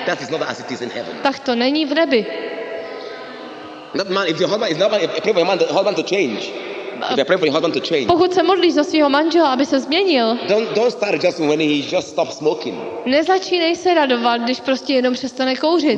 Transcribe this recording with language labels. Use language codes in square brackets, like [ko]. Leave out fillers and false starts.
[en] That is not as it is in heaven. [cs] Tak to není v nebi. [en] That man, if your husband is not, if pray for your man, the husband to change. If you pray for your husband to change. [cs] Pokud se modlíš za svého manžela, aby se změnil. [en] Don't start just when he just stops smoking. [cs] Nezačínej se radovat, když prostě jenom přestane kouřit.